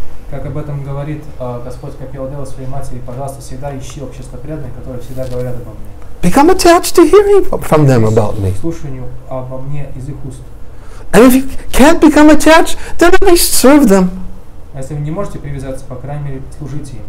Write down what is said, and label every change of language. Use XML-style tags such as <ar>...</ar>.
<ru>Как об этом говорит Господь Капила Дева своей матери, пожалуйста, всегда ищи общество преданных, которые всегда говорят обо мне.</ru> <en>Become attached to hearing from them about me.</en> <ru>Слушанию обо мне из их уст.</ru> <en>And if you can't become attached, then at least serve them.</en> <ru>Если вы не можете привязаться, по крайней мере, служите им.</ru>